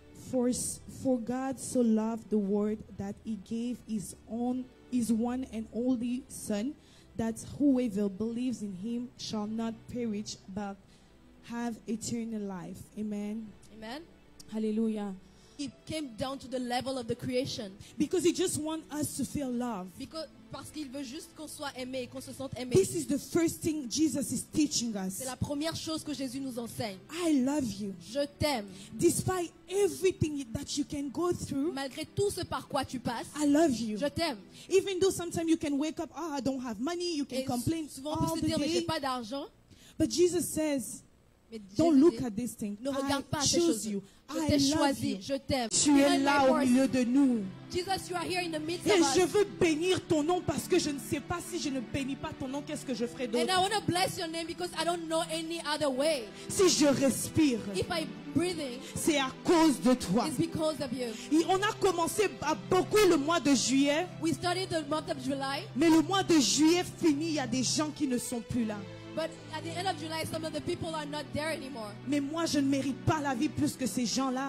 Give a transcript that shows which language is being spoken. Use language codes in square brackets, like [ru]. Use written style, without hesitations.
[en] For God so loved the world that he gave his one and only son, that whoever believes in him shall not perish but have eternal life. Amen. Amen. Hallelujah. He came down to the level of the creation. Because he just wants us to feel love. [fr] Parce qu'il veut juste qu'on soit aimé, qu'on se sente aimé. [en] This is the first thing Jesus is teaching us. [fr] C'est la première chose que Jésus nous enseigne. [en] I love you. [fr] Je t'aime. [en] Despite everything that you can go through. [fr] Malgré tout ce par quoi tu passes. [en] I love you. [fr] Je t'aime. [en] Even though sometimes you can wake up, oh, I don't have money, you can complain. [fr] Souvent on peut se dire, mais j'ai pas d'argent. [en] But Jesus says, don't look at this thing. [fr] Ne regarde pas ces choses. [en] You. [fr] Je t'ai choisi. Je t'aime. Tu es là au milieu de nous. [en] Jesus, you are here in the midst of [fr] et [en] us. [fr] Je veux bénir ton nom parce que je ne sais pas si je ne bénis pas ton nom, qu'est-ce que je ferai d'autre? [en] And I want to bless your name because I don't know any other way. [fr] Si je respire, [en] if I'm breathing, [fr] c'est à cause de toi. [en] It's because of you. [fr] Et on a commencé à beaucoup le mois de juillet. [en] We started the month of July. [fr] Mais le mois de juillet finit, il y a des gens qui ne sont plus là. [en] But at the end of July, some of the people are not there anymore. [fr] Mais moi, je ne mérite pas la vie plus que ces gens-là.